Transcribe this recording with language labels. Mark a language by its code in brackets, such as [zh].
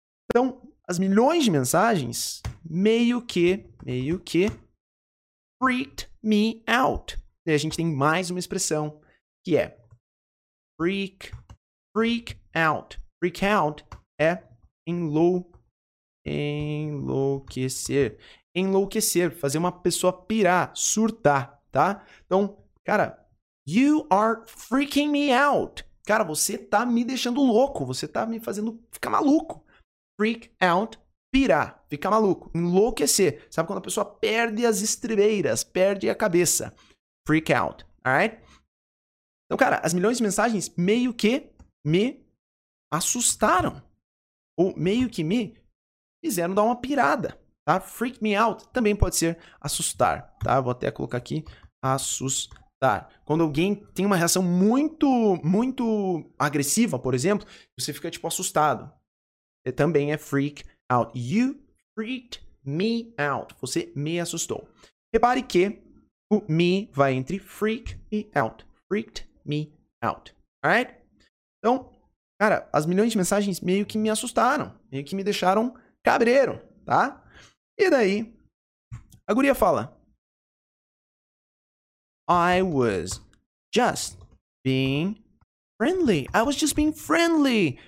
[pt] Então, as milhões de mensagens, meio que, [en] freaked me out. [pt] E a gente tem mais uma expressão, que é freak out. Freak out é enlouquecer. Enlouquecer, fazer uma pessoa pirar, surtar, tá? Então, cara, [en] you are freaking me out. [pt] Cara, você tá me deixando louco, você tá me fazendo ficar maluco. Freak out, pirar, ficar maluco, enlouquecer. Sabe quando a pessoa perde as estribeiras, perde a cabeça? [en] Freak out, alright? [pt] Então, cara, as milhões de mensagens meio que me assustaram. Ou meio que me fizeram dar uma pirada. Tá? Freak me out também pode ser assustar, tá? Vou até colocar aqui, assustar. Quando alguém tem uma reação muito, muito agressiva, por exemplo, você fica tipo assustado. E também é [en] freak out. You freaked me out. [pt] Você me assustou. Repare que o me vai entre freak e out. [en] Freaked me out. Alright? [pt] Então, cara, as milhões de mensagens meio que me assustaram, meio que me deixaram cabreiro, tá? E daí, a guria fala, [en] I was just being friendly. I was just being friendly.